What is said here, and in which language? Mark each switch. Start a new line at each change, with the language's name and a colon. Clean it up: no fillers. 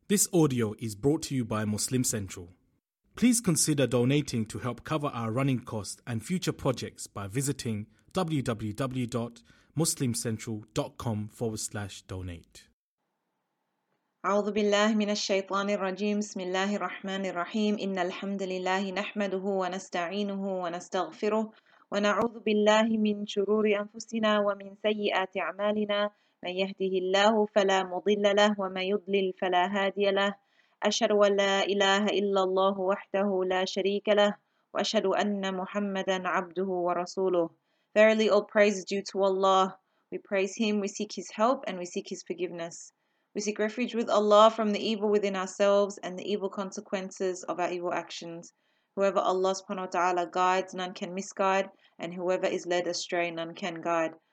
English: This audio is brought to you by Muslim Central. Please consider donating to help cover our running costs and future projects by visiting www.muslimcentral.com/donate.
Arabic: أعوذ بالله من الشيطان الرجيم بسم الله الرحمن الرحيم إن الحمد لله نحمده ونستعينه ونستغفره ونعوذ بالله من شرور أنفسنا ومن سيئات أعمالنا من يهده الله فلا مضل له ومن يضلل فلا هادي له أشهد أن لا إله إلا الله وحده لا شريك له وأشهد أن محمدا عبده ورسوله.
English: Verily all praise is due to Allah. We praise Him, we seek His help and we seek His forgiveness. We seek refuge with Allah from the evil within ourselves and the evil consequences of our evil actions. Whoever Allah subhanahu wa ta'ala guides, none can misguide, and whoever is led astray, none can guide.